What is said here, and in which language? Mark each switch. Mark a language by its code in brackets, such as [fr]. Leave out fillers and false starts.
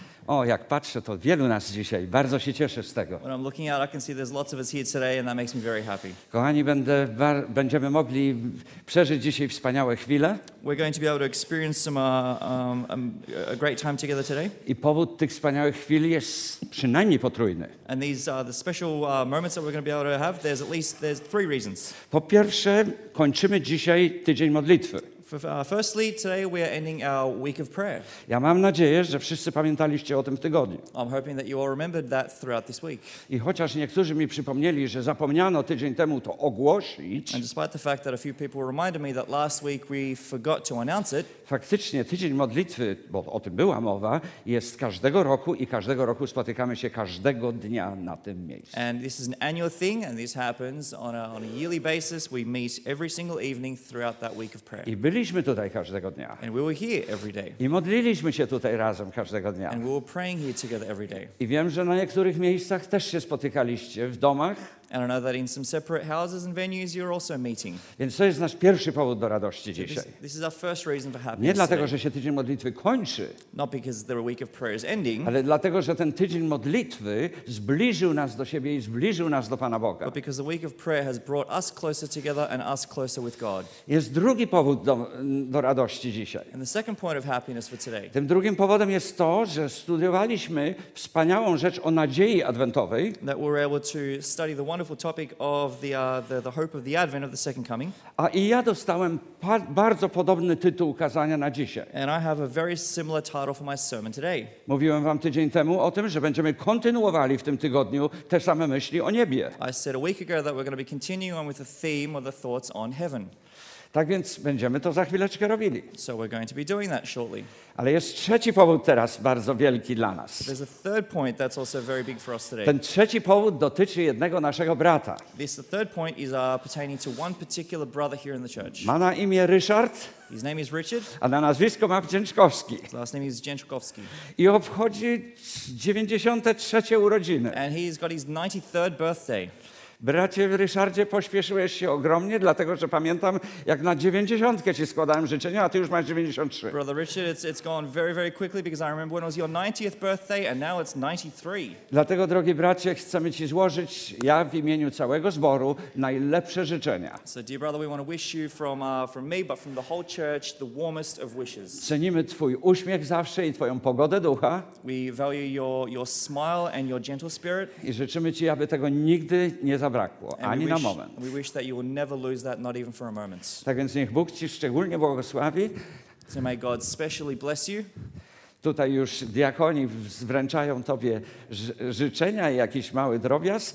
[pl] O, jak patrzę, to wielu nas dzisiaj. Bardzo się cieszę z tego. [en] When I'm looking out, I can see there's lots of us here today, and that makes me very happy. [pl] Kochani, będziemy mogli przeżyć dzisiaj wspaniałe chwile. [en] We're going to be able to experience some a great time together today. [pl] I powód tych wspaniałych chwil jest przynajmniej potrójny. [en] And these are the special moments that we're going to be able to have. There's three reasons. [pl] Po pierwsze, kończymy dzisiaj tydzień modlitwy. [en] Firstly, today we are ending our week of prayer. [pl] Ja mam nadzieję, że wszyscy pamiętaliście o tym w tygodniu. [en] I'm hoping that you all remembered that throughout this week. [pl] I chociaż niektórzy mi przypomnieli, że zapomniano tydzień temu to ogłosić. [en] And despite the fact that a few people reminded me that last week we forgot to announce it. [pl] Faktycznie tydzień modlitwy, bo o tym była mowa, jest każdego roku i każdego roku spotykamy się każdego dnia na tym miejscu. [en] And this is an annual thing, and this happens on a yearly basis. We meet every single evening throughout that week of prayer. [pl] Byliśmy tutaj każdego dnia. [en] And we were here every day. [pl] I modliliśmy się tutaj razem każdego dnia. [en] And we were praying here together every day. [pl] I wiem, że na niektórych miejscach też się spotykaliście w domach. [en] And I know that in some separate houses and venues you're also meeting. [pl] Więc to jest nasz pierwszy powód do radości dzisiaj. [en] This is our first reason for happiness. [pl] Nie dlatego, że się tydzień modlitwy kończy. [en] Not because the week of prayer is ending. [pl] Ale dlatego, że ten tydzień modlitwy zbliżył nas do siebie i zbliżył nas do Pana Boga. [en] But because the week of prayer has brought us closer together and us closer with God. [pl] Jest drugi powód do radości dzisiaj. [en] And the second point of happiness for today. [pl] Tym drugim powodem jest to, że studiowaliśmy wspaniałą rzecz o nadziei adwentowej. [en] That we're able to study the wonderful topic of the hope of the advent of the second coming. [pl] A i ja dostałem bardzo podobny tytuł kazania na dzisiaj. [en] And I have a very similar title for my sermon today. [pl] Mówiłem wam tydzień temu o tym, że będziemy kontynuowali w tym tygodniu te same myśli o niebie. [en] I said a week ago that we're going to be continuing with the theme of the thoughts on heaven. [pl] Tak więc będziemy to za chwileczkę robili. [en] So we're going to be doing that shortly. [pl] Ale jest trzeci powód teraz bardzo wielki dla nas. [en] There's a third point that's also very big for us today. [pl] Ten trzeci powód dotyczy jednego naszego brata. [en] This the third point is pertaining to one particular brother here in the church. [pl] Ma na imię Ryszard. [en] His name is Richard. [pl] A na nazwisko ma Wdzięczkowski. [en] His last name is Dzięczkowski. [pl] I obchodzi 93. urodziny. [en] And he's got his 93rd birthday. [pl] Bracie Ryszardzie, pośpieszyłeś się ogromnie, dlatego że pamiętam, jak na 90 ci składałem życzenia, a ty już masz 93. [en] Brother Richard, it's gone very, very quickly because I remember when it was your 90th birthday and now it's 93. [pl] Dlatego, drogi bracie, chcemy ci złożyć, ja w imieniu całego zboru, najlepsze życzenia. [en] So, dear brother, we want to wish you from me, but from the whole church, the warmest of wishes. [pl] Cenimy twój uśmiech zawsze i twoją pogodę ducha. [en] We value your smile and your gentle spirit. [pl] I życzymy ci, aby tego nigdy nie zabrakło, ani na moment. [en] We wish that you will never lose that, not even for a moment. [pl] Tak więc niech Bóg ci szczególnie błogosławi. [en] So may God specially bless you. [pl] Tutaj już diakoni wręczają tobie życzenia i jakiś mały drobiazg.